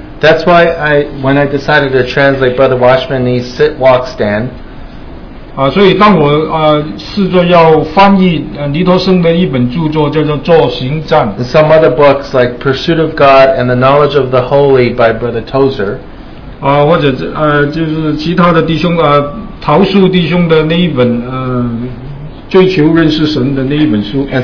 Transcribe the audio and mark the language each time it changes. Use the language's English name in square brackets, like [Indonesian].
[English] That's why when I decided to translate Brother Watchman Nee's Sit, Walk, Stand. [Chinese] 所以当我试着要翻译尼托森的一本著作叫做《坐行站》, [English] some other books like Pursuit of God and the Knowledge of the Holy by Brother Tozer. [Chinese] 或者就是其他的弟兄陶树弟兄的那一本《追求认识神》的那一本书。 [English] And